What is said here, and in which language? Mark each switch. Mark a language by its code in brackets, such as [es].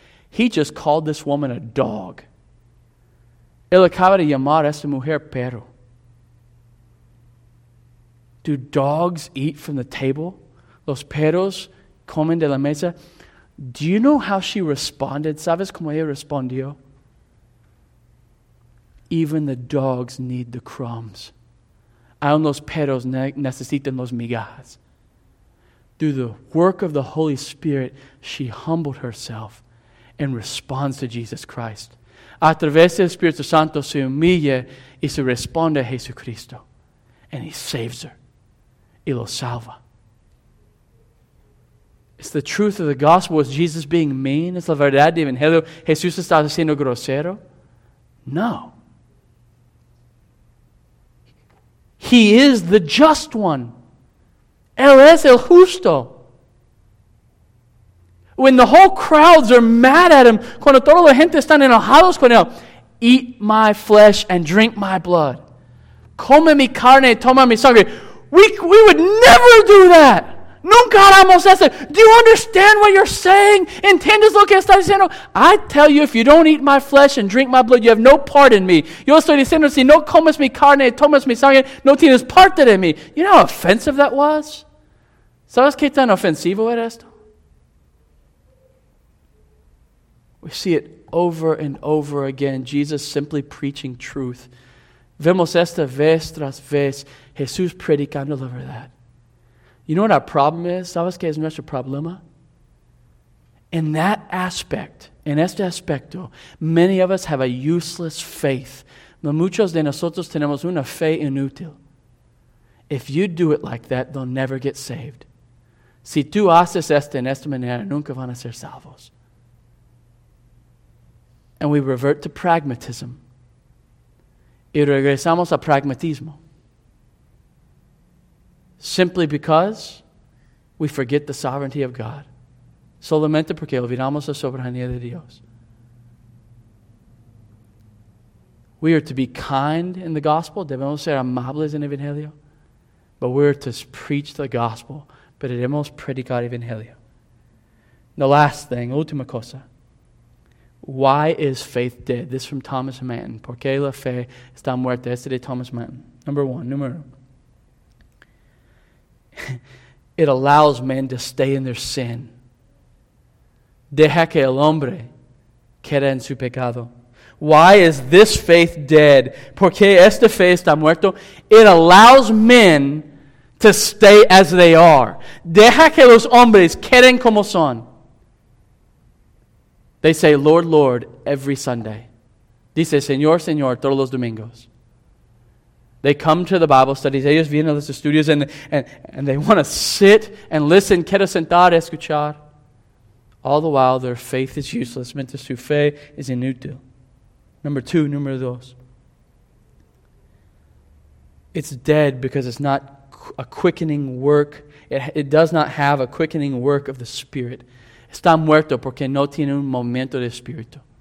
[en] He just called this woman a dog. [es] Él acaba de llamar a esta mujer perro. [en] Do dogs eat from the table? [es] Los perros comen de la mesa. [en] Do you know how she responded? [es] ¿Sabes cómo ella respondió? [en] Even the dogs need the crumbs. [es] Aún los perros necesitan las migajas. [en] Through the work of the Holy Spirit, she humbled herself and responds to Jesus Christ. [es] A través del Espíritu Santo se humilla y se responde a Jesucristo. [en] And he saves her. [es] Y lo salva. [en] It's the truth of the gospel. Is Jesus being mean? [es] Es la verdad del Evangelio. ¿Jesús está siendo grosero? [en] No. He is the just one. [es] Él es el justo. [en] When the whole crowds are mad at him, [es] cuando toda la gente está enojada con él, [en] eat my flesh and drink my blood. [es] Come mi carne, toma mi sangre. [en] We would never do that. [es] Nunca haremos eso. [en] Do you understand what you're saying? [es] ¿Entiendes lo que está diciendo? [en] I tell you, if you don't eat my flesh and drink my blood, you have no part in me. [es] Yo estoy diciendo, si no comes mi carne, tomas mi sangre, no tienes parte de mí. [en] You know how offensive that was? [es] ¿Sabes qué tan ofensivo era esto? [en] We see it over and over again. Jesus simply preaching truth. [es] Vemos esta vez tras vez. Jesús predicando la verdad. [en] You know what our problem is? [es] ¿Sabes qué es nuestro problema? [en] In that aspect, [es] en este aspecto, [en] many of us have a useless faith. [es] Muchos de nosotros tenemos una fe inútil. [en] If you do it like that, they'll never get saved. [es] Si tú haces esto en esta manera, nunca van a ser salvos. [en] And we revert to pragmatism. [es] Y regresamos a pragmatismo. [en] Simply because we forget the sovereignty of God. [es] Solamente porque olvidamos la soberanía de Dios. [en] We are to be kind in the gospel. [es] Debemos ser amables en el evangelio. [en] But we are to preach the gospel. But it [es] debemos predicar el evangelio. [en] The last thing, [es] última cosa. [en] Why is faith dead? This is from Thomas Manton. [es] ¿Por qué la fe está muerta? Este de Thomas Manton. Número uno. [en] It allows men to stay in their sin. [es] Deja que el hombre quede en su pecado. [en] Why is this faith dead? [es] ¿Por qué esta fe está muerta? [en] It allows men to stay as they are. [es] Deja que los hombres queden como son. [en] They say, Lord, Lord, every Sunday. [es] Dice, Señor, Señor, todos los domingos. [en] They come to the Bible studies. [es] Ellos vienen a los estudios [en] and they want to sit and listen. [es] Quiero sentar, escuchar. [en] All the while, their faith is useless. [es] Mientras su fe [en] is inútil. [es] Número dos. [en] It's dead because it's not a quickening work. It does not have a quickening work of the Spirit. [es] Está muerto porque no tiene un momento de espíritu.